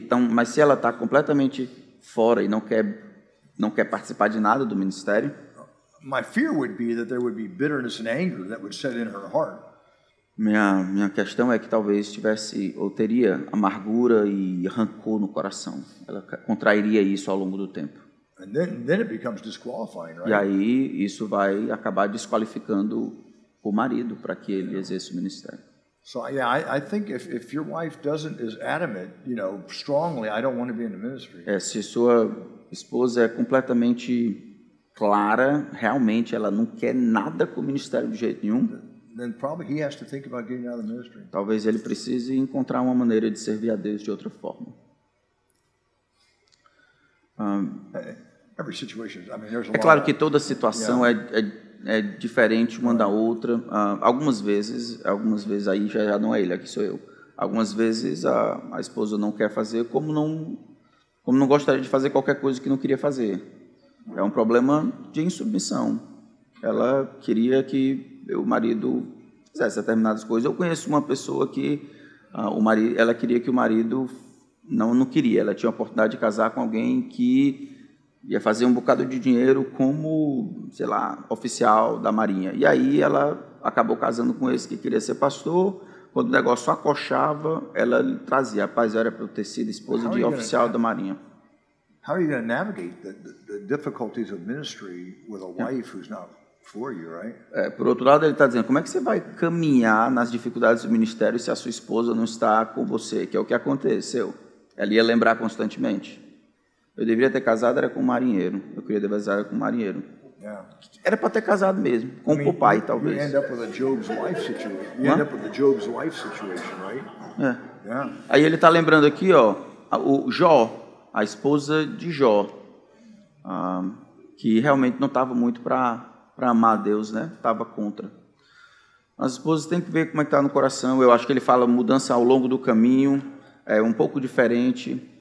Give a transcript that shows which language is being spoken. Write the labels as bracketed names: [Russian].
[Portuguese] Mas se ela está completamente fora e não quer participar de nada do ministério? [English] My fear would be that there would be bitterness and anger that would set in her heart. [Portuguese] Minha questão é que talvez tivesse ou teria amargura e rancor no coração. Ela contrairia isso ao longo do tempo. [English] And then it becomes disqualifying, right? [Portuguese] E aí isso vai acabar desqualificando o marido para que ele exerça o ministério. [English] So yeah, I think if your wife doesn't is adamant, you know, strongly, I don't want to be in the ministry. [Portuguese] É, se sua esposa é completamente clara, realmente ela não quer nada com o ministério de jeito nenhum. [English] Then probably he has to think about getting out of the ministry. [Portuguese] Talvez ele precise encontrar uma maneira de servir a Deus de outra forma. [English] Every situation, I mean, there's a [Portuguese] é claro que toda situação é diferente uma da outra. Algumas vezes aí já não é ele, aqui sou eu. Algumas vezes a esposa não quer fazer, como não gostaria de fazer qualquer coisa que não queria fazer. É um problema de insubmissão. Ela queria que o marido fizesse determinadas coisas. Eu conheço uma pessoa que ela queria que o marido... Não queria. Ela tinha a oportunidade de casar com alguém que ia fazer um bocado de dinheiro como, sei lá, oficial da Marinha. E aí ela acabou casando com esse que queria ser pastor. Quando o negócio acochava, ela trazia. Rapaz, era para eu ter sido esposa de oficial da Marinha. [English] How are you going to navigate the difficulties of ministry with a wife who's not for you, right? [Portuguese] É, por outro lado, ele está dizendo, como é que você vai caminhar nas dificuldades do ministério se a sua esposa não está com você? Que é o que aconteceu. Ela ia lembrar constantemente. Eu deveria ter casado era com um marinheiro. Eu queria ter casado com um marinheiro. [English] Yeah. [Portuguese] Era para ter casado mesmo, com o papai, talvez. [English] You end up with a Job's wife situation. You end up with a Job's wife situation, right? É. Yeah. [Portuguese] Aí ele está lembrando aqui, ó, o Jó. A esposa de Jó, que realmente não estava muito para amar a Deus, né? Estava contra. As esposas têm que ver como é que está no coração. Eu acho que ele fala mudança ao longo do caminho, é um pouco diferente.